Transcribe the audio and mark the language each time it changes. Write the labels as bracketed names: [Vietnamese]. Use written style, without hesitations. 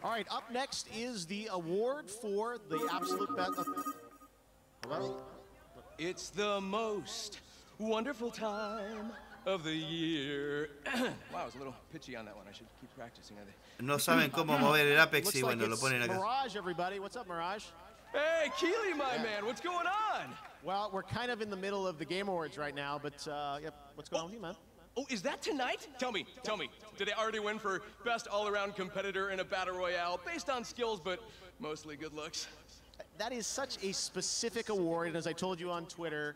[English] All right, up next is the award for the absolute best. It's the most wonderful time of the year. Wow, I was a little pitchy on that one. I should keep practicing. [Spanish] No saben cómo mover el Apex y bueno, lo ponen acá. [English] Mirage, everybody. What's up, Mirage? Hey, Keely, my man. What's going on? Well, we're kind of in the middle of the Game Awards right now, but yep. What's going on with you, man? Oh, is that tonight? Tell me. Did they already win for best all-around competitor in a battle royale based on skills, but mostly good looks? That is such a specific award, and as I told you on Twitter...